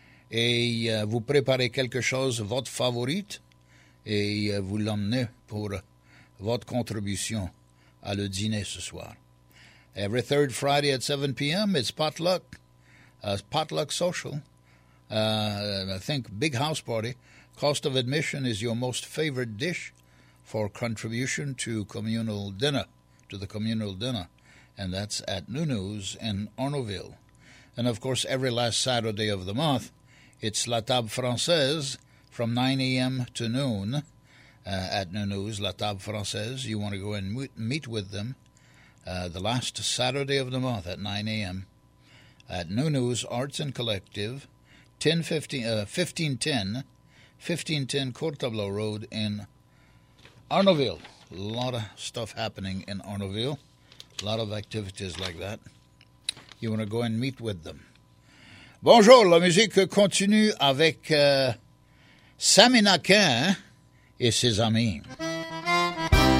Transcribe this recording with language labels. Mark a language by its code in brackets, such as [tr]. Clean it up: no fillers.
[fr] Et vous préparez quelque chose, votre favorite, et vous l'emmenez pour votre contribution à le dîner ce soir. [en] Every third Friday at 7 p.m., it's Potluck. Potluck Social, I think Big House Party. Cost of admission is your most favorite dish for contribution to communal dinner, to the communal dinner. And that's at Nounouz in Arnaudville. And of course, every last Saturday of the month, it's La Table Française from 9 a.m. to noon at Nounouz. La Table Française, you want to go and meet with them the last Saturday of the month at 9 a.m. at Nounouz Arts and Collective, 1510 Courtablot Road in Arnaudville. A lot of stuff happening in Arnaudville. A lot of activities like that. You want to go and meet with them. [fr] Bonjour, la musique continue avec Sammy Nakin et ses amis. [en] We'll be right back.